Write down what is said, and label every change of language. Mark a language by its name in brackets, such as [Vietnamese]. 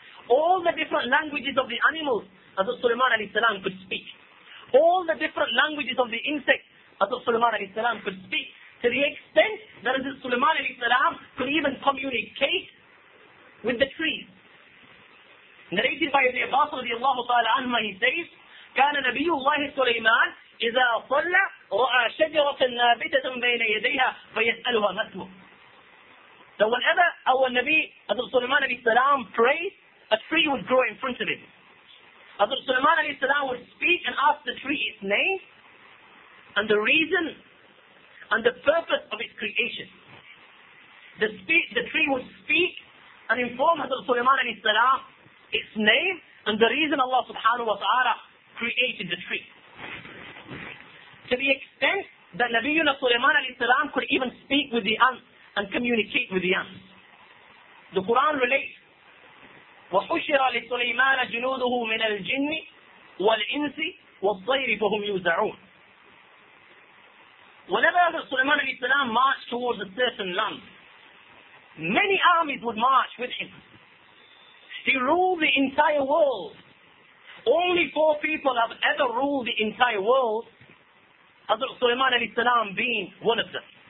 [English] All the different languages of the animals, Hazrat Sulaiman alayhi salam could speak. All the different languages of the insects, Hazrat Sulaiman alayhi salam could speak. To the extent that Hazrat Sulaiman alayhi salam could even communicate with the trees. Narrated by the Apostle of Allah ta'ala anhu, he says, [Arabic] كان نبي الله سليمان إذا صلى رأى شجرة نابتة بين يديها فيسألها نسمه. [English] So whenever our Nabi Hazrat Sulaiman alayhi salam prayed, a tree would grow in front of him. Hazrat Sulaiman alayhi salam would speak and ask the tree its name and the reason and the purpose of its creation. The tree would speak and inform Hazrat Sulaiman alayhi salam its name and the reason Allah subhanahu wa ta'ala created the tree. To the extent that Nabiyuna Sulaiman alayhi salam could even speak with the ants and communicate with the ants. The Quran relates, [Arabic] وَحُشِرَ لِسُلَيْمَانَ جُنُودُهُ مِنَ الْجِنِّ وَالْإِنْسِ وَالطَّيْرِ فَهُمْ يُوزَعُونَ. [English] Whenever Sulaiman alayhi salam marched towards a certain land, many armies would march with him. He ruled the entire world. Only four people have ever ruled the entire world, Hazrat Sulaiman alayhi salam being one of them.